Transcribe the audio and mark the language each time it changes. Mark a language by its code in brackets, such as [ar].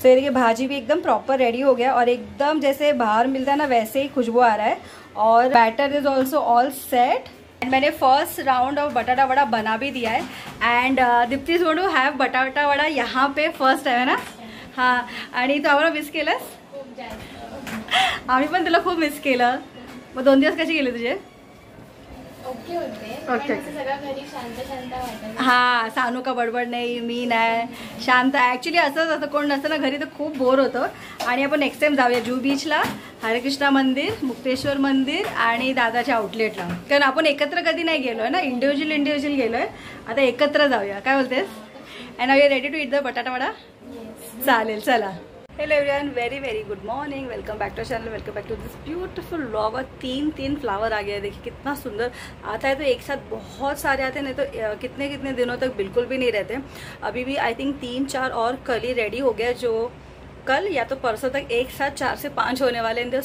[hi] सो ये देखिए भाजी भी एकदम प्रॉपर रेडी हो गया और एकदम जैसे बाहर मिलता है ना वैसे ही खुशबू आ रहा है, और batter is also all set. And मैंने फर्स्ट राउंड ऑफ बटाटा वड़ा बना भी दिया है। [en] And Dipti is going to have batata vada यहाँ पे first time, है ना? [mr] हाँ। तो आम्हाला मिस केलंस? आम्ही पण तुला खूप मिस केलं। मग 2 दिवस कसे गेले तुझे? ओके होते, हा सानू का बडबड नाही, मी नाही शांत, ऍक्च्युली असंच असं कोण नसतं ना घरी, तर खूप बोर होतं। आणि आपण नेक्स्ट टाइम जाऊया जू बीचला, हरे कृष्णा मंदिर, मुक्तेश्वर मंदिर आणि दादाच्या आउटलेटला, कारण आपण एकत्र कधी नाही गेलोय ना, इंडिव्हिज्युअल इंडिव्हिज्युअल गेलोय, आता एकत्र जाऊया, काय बोलतेस? [en] And are you ready to eat the batata vada? [mr] चालेल, चला। [en] Hello everyone, very very good morning, welcome back to channel, welcome back to this beautiful vlog. [hi] और 3 फ्लावर आ गया, देखिए कितना सुंदर आता है, तो एक साथ बहुत सारे आते हैं, नहीं तो कितने कितने दिनों तक बिल्कुल भी नहीं रहते। अभी भी आई थिंक 3-4 और कल ही रेडी हो गया, जो कल या तो परसों तक एक साथ 4 से 5 होने वाले हैं।